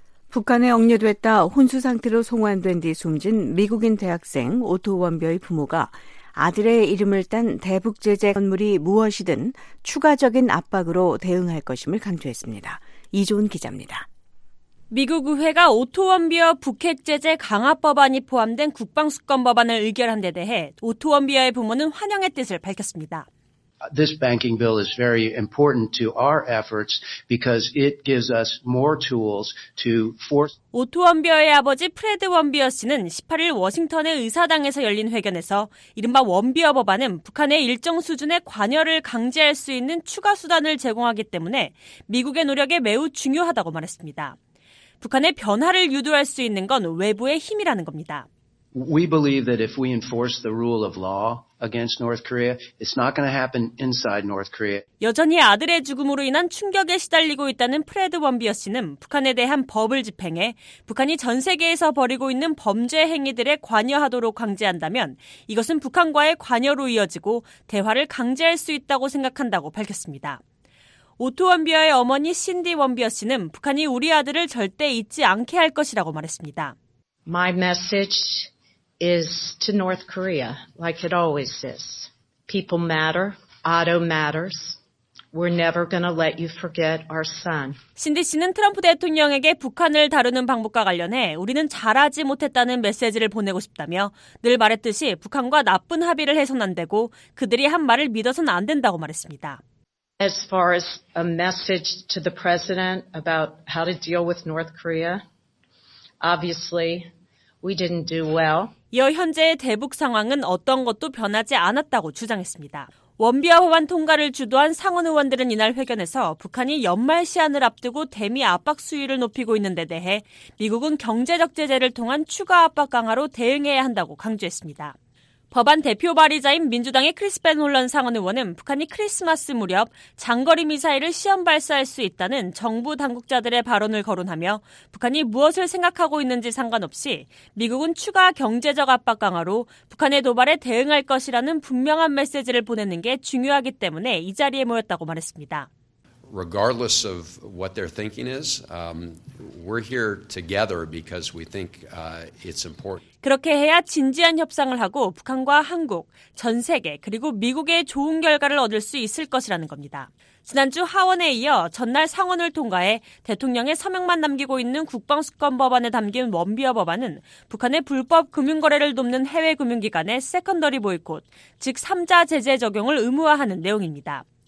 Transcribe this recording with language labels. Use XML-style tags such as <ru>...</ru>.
<ko>북한에 억류됐다 혼수 상태로 송환된 뒤 숨진 미국인 대학생 오토 원벼의 부모가 아들의 이름을 딴 대북 제재 건물이 무엇이든 추가적인 압박으로 대응할 것임을 강조했습니다. 이조은 기자입니다. 미국 의회가 오토 원비어 북핵 제재 강화 법안이 포함된 국방 수권 법안을 의결한 데 대해 오토 원비어의 부모는 환영의 뜻을 밝혔습니다.</ko> <en>This banking bill is very important to our efforts because it gives us more tools to force.</en> <ko>오토 원비어의 아버지 프레드 원비어 씨는 18일 워싱턴의 의사당에서 열린 회견에서 이른바 원비어 법안은 북한의 일정 수준의 관여를 강제할 수 있는 추가 수단을 제공하기 때문에 미국의 노력에 매우 중요하다고 말했습니다. 북한의 변화를 유도할 수 있는 건 외부의 힘이라는 겁니다.</ko> <en>We believe that if we enforce the rule of law against North Korea, it's not going to happen inside North Korea.</en> <ko>여전히 아들의 죽음으로 인한 충격에 시달리고 있다는 프레드 원비어 씨는 북한에 대한 법을 집행해 북한이 전 세계에서 벌이고 있는 범죄 행위들에 관여하도록 강제한다면 이것은 북한과의 관여로 이어지고 대화를 강제할 수 있다고 생각한다고 밝혔습니다. 오토 원비어의 어머니 신디 원비어 씨는 북한이 우리 아들을 절대 잊지 않게 할 것이라고 말했습니다.</ko> <en>My message is to North Korea, like it always is. People matter. Otto matters. We're never gonna let you forget our son.</en> <ko>신디 씨는 트럼프 대통령에게 북한을 다루는 방법과 관련해 우리는 잘하지 못했다는 메시지를 보내고 싶다며 늘 말했듯이 북한과 나쁜 합의를 해서는 안 되고 그들이 한 말을 믿어서는 안 된다고 말했습니다.</ko> <en>As far as a message to the president about how to deal with North Korea, obviously we didn't do well.</en> <ko>이어 현재의 대북 상황은 어떤 것도 변하지 않았다고 주장했습니다. 원비어 법안 통과를 주도한 상원 의원들은 이날 회견에서 북한이 연말 시한을 앞두고 대미 압박 수위를 높이고 있는 데 대해 미국은 경제적 제재를 통한 추가 압박 강화로 대응해야 한다고 강조했습니다. 법안 대표 발의자인 민주당의 크리스 벤 홀런 상원 의원은 북한이 크리스마스 무렵 장거리 미사일을 시험 발사할 수 있다는 정부 당국자들의 발언을 거론하며 북한이 무엇을 생각하고 있는지 상관없이 미국은 추가 경제적 압박 강화로 북한의 도발에 대응할 것이라는 분명한 메시지를 보내는 게 중요하기 때문에 이 자리에 모였다고 말했습니다.</ko> <en>Regardless of what their thinking is, we're here together because we think it's important.</en> <ko>그렇게 해야 진지한 협상을 하고 북한과 한국, 전 세계 그리고 미국의 좋은 결과를 얻을 수 있을 것이라는 겁니다. 지난주 하원에 이어 전날 상원을 통과해 대통령의 서명만 남기고 있는 국방수권 법안에 담긴 원비어 법안은 북한의 불법 금융거래를 돕는 해외금융기관의 세컨더리 보이콧, 즉 3자 제재 적용을 의무화하는 내용입니다.</ko>